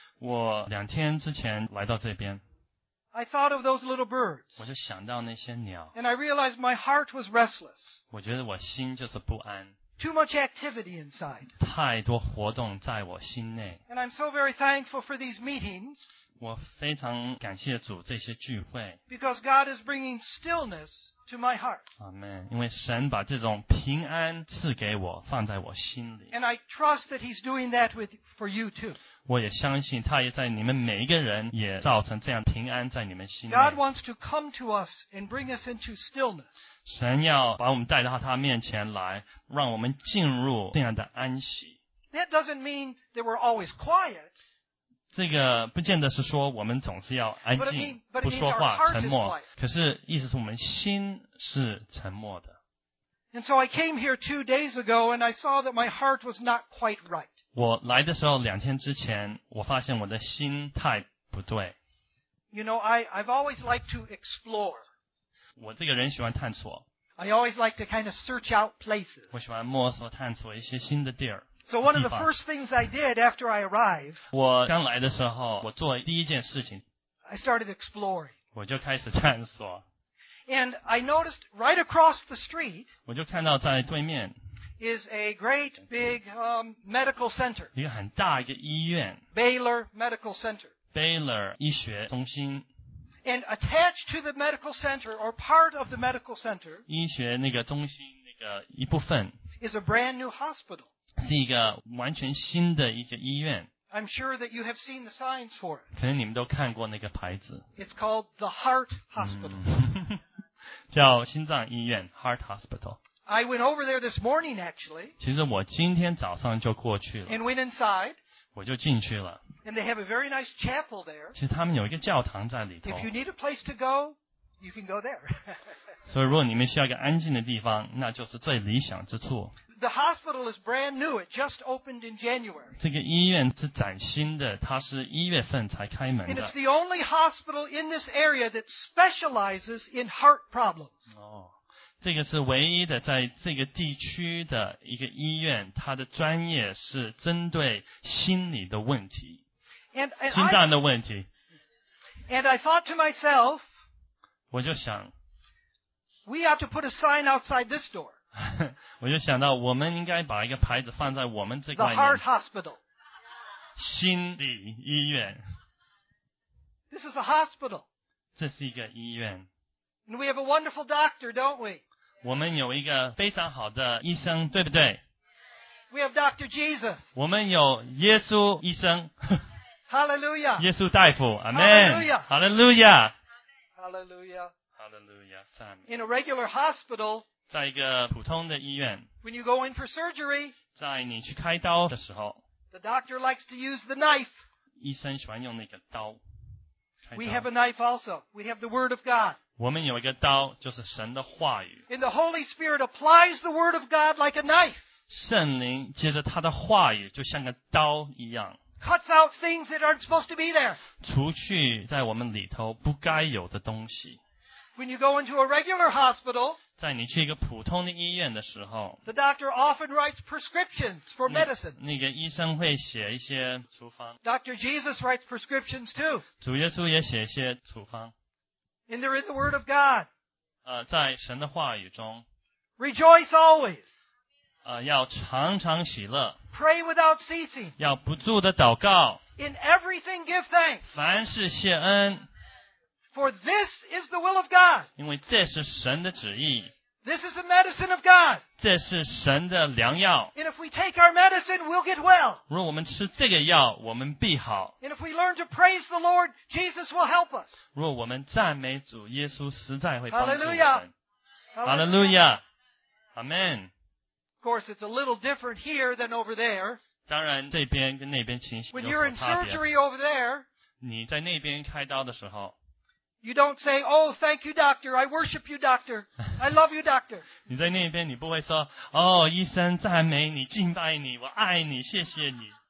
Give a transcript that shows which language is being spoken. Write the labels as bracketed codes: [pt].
[zh] 我2天之前来到这边。 [en] I thought of those little birds. [zh] 我就想到那些鸟。 [en] And I realized my heart was restless. [zh] 我觉得我心就是不安。 [en] Too much activity inside. [zh] 太多活动在我心内。 [en] And I'm so very thankful for these meetings. [zh] 我非常感谢主这些聚会。 [en] Because God is bringing stillness to my heart. Amen. [zh] 因为神把这种平安赐给我，放在我心里。 [en] And I trust that He's doing that with for you too. [zh] 我也相信他也在你们每一个人也造成这样平安在你们心里。 [en] God wants to come to us and bring us into stillness. [zh] 神要把我们带到他面前来，让我们进入这样的安息。 [en] That doesn't mean that we're always quiet. [zh] 这个不见得是说我们总是要安静不说话沉默，可是意思是我们心是沉默的。 [en] And so I came here 2 days ago and I saw that my heart was not quite right. [zh] 我来的时候两天之前我发现我的心态不对。 [en] You know, I've always liked to explore. [zh] 我这个人喜欢探索。 [en] I always like to kind of search out places. [zh] 我喜欢摸索探索一些新的地儿。 [en] So one of the first things I did after I arrived, [zh] 我刚来的时候，我做第一件事情， [en] I started exploring. [zh] 我就开始探索。 [en] And I noticed right across the street, [zh] 我就看到在对面， [en] is a great big medical center. [zh] 一个很大一个医院。 [en] Baylor Medical Center. [zh] Baylor 医学中心。 [en] And attached to the medical center, or part of the medical center, [zh] 医学那个中心那个一部分， [en] is a brand new hospital. [zh] 是一个完全新的一个医院。 [en] I'm sure that you have seen the signs for it. [zh] 可能你们都看过那个牌子。 [en] It's called the Heart Hospital. [zh] 叫心脏医院 ,Heart Hospital. [en] I went over there this morning actually. [zh] 其实我今天早上就过去了。 [en] And went inside. [zh] 我就进去了。 [en] And they have a very nice chapel there. [zh] 其实他们有一个教堂在里头。 [en] If you need a place to go, you can go there. [zh] 所以如果你们需要一个安静的地方，那就是最理想之处。 [en] The hospital is brand new. It just opened in January. [zh] 这个医院是崭新的，它是一月份才开门的。 [en] And it's the only hospital in this area that specializes in heart problems. [zh] 哦，这个是唯一的在这个地区的一个医院，它的专业是针对心理的问题，心脏的问题。 [en] And I thought to myself, [zh] 我就想 [en] ，We ought to put a sign outside this door. [zh] 我就想到，我们应该把一个牌子放在我们这个外面。 [en] The Heart Hospital. [zh] 心理医院。 [en] This is a hospital. [zh] 这是一个医院。 [en] And we have a wonderful doctor, don't we? [zh] 我们有一个非常好的医生，对不对 [en] ？We have Dr. Jesus. [zh] 我们有耶稣医生。 [en] Hallelujah. [zh] 耶稣大夫 ，Amen. [en] Hallelujah. Hallelujah. Hallelujah. In a regular hospital. [zh] 在一个普通的医院 [en] When you go in for surgery, [zh] 在你去开刀的时候 [en] the doctor likes to use the knife. [zh] 医生喜欢用那个刀 [en] We have a knife also. We have the word of God. [zh] 我们有一个刀就是神的话语 [en] And the Holy Spirit applies the word of God like a knife. [zh] 圣灵接着他的话语就像个刀一样 [en] Cuts out things that aren't supposed to be there. [zh] 除去在我们里头不该有的东西 [en] When you go into a regular hospital, [zh] 在你去一个普通的医院的时候 [en] ，The doctor often writes prescriptions for medicine. [zh] 那个医生会写一些处方。 [en] Dr. Jesus writes prescriptions too. [zh] 主耶稣也写一些处方。 [en] And they're in the Word of God. [zh] 在神的话语中。 [en] Rejoice always. [zh] 要常常喜乐。 [en] Pray without ceasing. [zh] 要不住的祷告。 [en] In everything, give thanks. [zh] 凡事谢恩。 [en] For this is the will of God. [zh] 因为这是神的旨意。 [en] This is the medicine of God. [zh] 这是神的良药。 [en] And if we take our medicine, we'll get well. [zh] 如果我们吃这个药，我们必好。 [en] And if we learn to praise the Lord, Jesus will help us. [zh] 如果我们赞美主，耶稣实在会帮助我们。Hallelujah. [en] Hallelujah. Amen. Of course, it's a little different here than over there. [zh] 当然，这边跟那边情形有所差别。 [en] When you're in surgery over there, [zh] 你在那边开刀的时候。 [en] You don't say, "Oh, thank you, doctor. I worship you, doctor. I love you, doctor." [zh] 你在那边，你不会说，哦，医生，赞美你，敬拜你，我爱你，谢谢你。